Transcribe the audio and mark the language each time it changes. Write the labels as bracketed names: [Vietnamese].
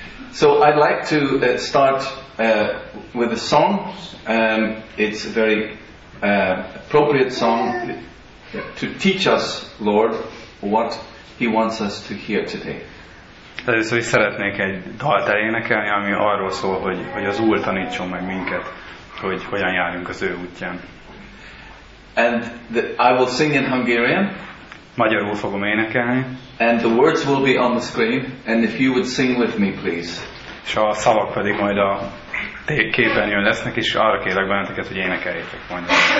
[English] So I'd like to start with a song. It's a very appropriate song to teach us, Lord, what He wants us to hear today. [Hungarian] Először is szeretnék egy dalt elénekelni, ami arról szól, hogy az Úr tanítson meg minket, hogy hogyan járjunk az ő útján. [English] And I will sing in Hungarian. [Hungarian] Magyarul fogom énekelni. [English] And the words will be on the screen, and if you would sing with me, please. [Hungarian] És a szavak pedig majd a képernyőn lesznek, és arra kérlek benneteket, hogy énekeljétek, mondjam.